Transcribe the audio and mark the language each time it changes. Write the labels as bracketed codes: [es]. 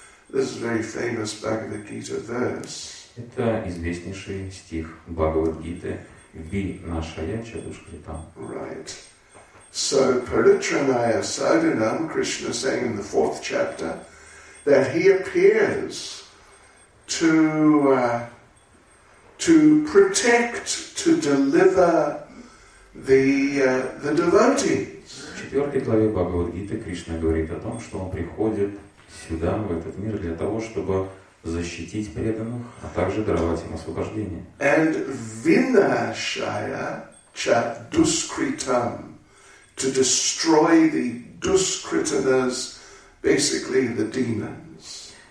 [en] This is a very famous Bhagavad Gita verse. [ru] Это известнейший стих Бхагавад Гиты. [sa] Vinashaya cha duskritam. [en] Right. So [sa] Paritranaya Sadhunam, [en] Krishna saying in the fourth chapter, that he appears to protect, to deliver the devotees. [ru] В четвертой главе Бхагавад Гиты Кришна говорит о том, что он приходит сюда, в этот мир, для того, чтобы защитить преданных, а также даровать им освобождение. [sa] And vinashaya cha duskritam. [en] To destroy the duskritanas, basically the demons.